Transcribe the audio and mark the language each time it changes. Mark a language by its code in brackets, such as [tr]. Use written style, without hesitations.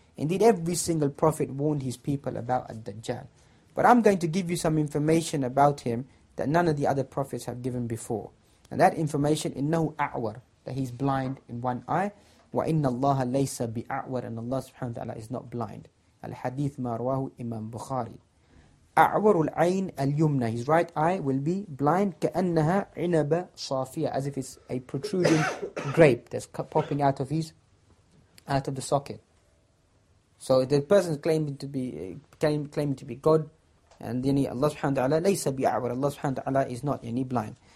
[en] Indeed, every single prophet warned his people about Ad-Dajjal. But I'm going to give you some information about him that none of the other prophets have given before. And that information, [ar] إِنَّهُ أَعْوَرُ, [en] that he's blind in one eye. [ar] وَإِنَّ اللَّهَ لَيْسَ بِأَعْوَرُ, [en] and Allah subhanahu wa ta'ala is not blind. [ar] Al-Hadith مَا رواهُ إِمَامُ بُخَارِي. أعور العين اليمنى, [en] his right eye will be blind, [ar] كأنها عنبة صافية, [en] as if it's a protruding grape that's popping out of his, out of the socket. So the person claiming to be God, and then Allah subhanahu wa ta'ala [ar] ليس بأعور, [en] Allah subhanahu wa ta'ala is not any blind.